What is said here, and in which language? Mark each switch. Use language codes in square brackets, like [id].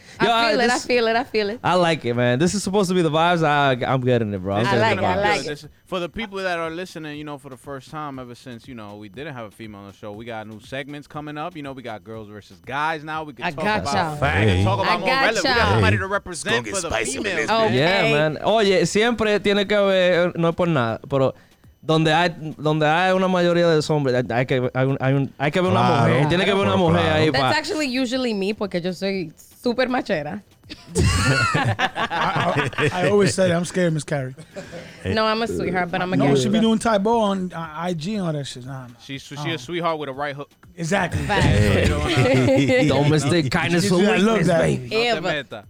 [en] I feel it. I like it, man. This is supposed to be the vibes. I'm getting it, bro. I like it. For the people that are listening, you know, for the first time ever since, you know, we didn't have a female on the show, we got new segments coming up. You know, we got girls versus guys now. We can talk about more relevant. We got somebody to represent for the females. Oh, yeah, man. [es] Oye, siempre tiene que haber, no es por nada, pero... Donde hay una mayoría de hombres, hay que ver una mujer. Yeah. Tiene que ver una mujer ahí. [en] That's actually usually me, [es] porque yo soy super machera. [en] I always said I'm scared of Miss Carrie. No, I'm a sweetheart, but I'm a girl. No, she be doing Tai Bo on IG and all that shit. Nah. She's a sweetheart with a right hook. Exactly. Don't mistake kindness for weakness, baby.